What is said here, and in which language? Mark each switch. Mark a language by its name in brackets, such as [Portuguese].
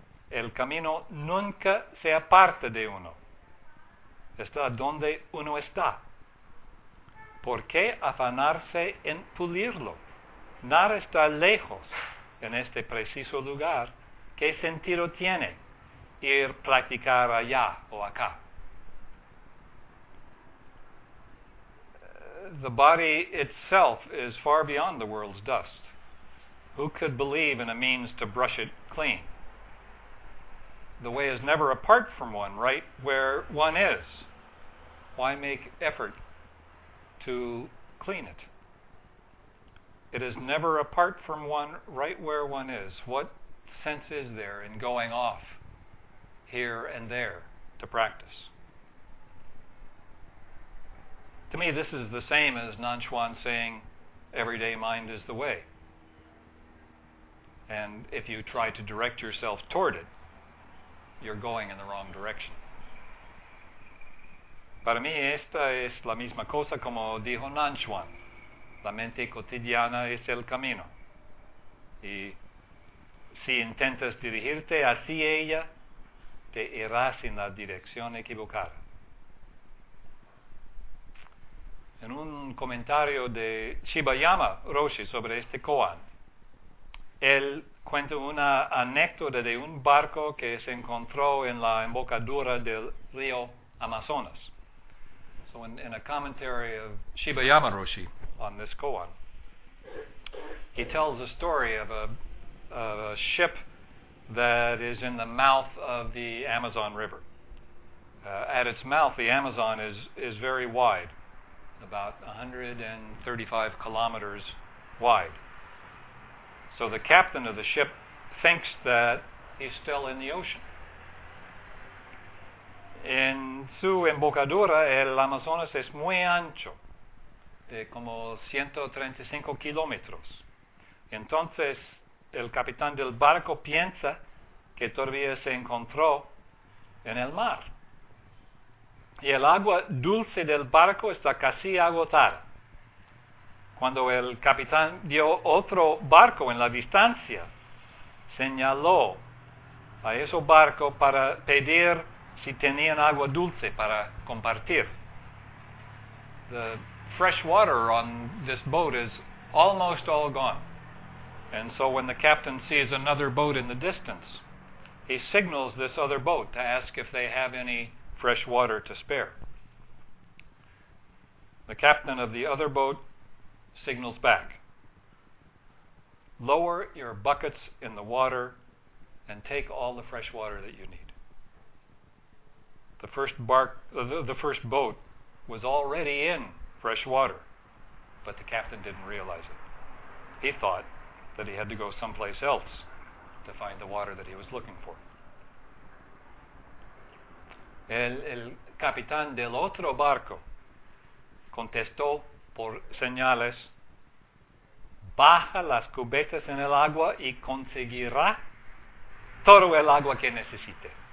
[Spanish] El camino nunca se aparta de uno. Está donde uno está. ¿Por qué afanarse en pulirlo? Nada está lejos en este preciso lugar. ¿Qué sentido tiene ir practicar allá o acá? [English] The body itself is far beyond the world's dust. Who could believe in a means to brush it clean? The way is never apart from one, right where one is. Why make effort to clean it? It is never apart from one, right where one is. What sense is there in going off here and there to practice? To me, this is the same as Nanshuan saying, everyday mind is the way. And if you try to direct yourself toward it, you're going in the wrong direction. [Spanish] Para mí, esta es la misma cosa como dijo Nanshuan. la mente cotidiana es el camino. Y si intentas dirigirte hacia ella, te irás en la dirección equivocada. En un comentario de Shibayama Roshi sobre este koan, él cuenta una anécdota de un barco que se encontró en la embocadura del río Amazonas. [English] So in a commentary of Shibayama Roshi on this koan, he tells a story of a ship that is in the mouth of the Amazon River. At its mouth, the Amazon is very wide, about 135 kilometers wide. So the captain of the ship thinks that he's still in the ocean. [Spanish] En su embocadura, el Amazonas es muy ancho, de como 135 kilómetros. Entonces, el capitán del barco piensa que todavía se encontró en el mar. Y el agua dulce del barco está casi agotada. Cuando el capitán vio otro barco en la distancia, señaló a ese barco para pedir si tenían agua dulce para compartir. [English] The fresh water on this boat is almost all gone. And so when the captain sees another boat in the distance, he signals this other boat to ask if they have any fresh water to spare. The captain of the other boat signals back, "Lower your buckets in the water and take all the fresh water that you need." The first boat was already in fresh water, but the captain didn't realize it. He thought that he had to go someplace else to find the water that he was looking for. [Spanish] El capitán del otro barco contestó por señales, "Baja las cubetas en el agua y conseguirá todo el agua que necesite."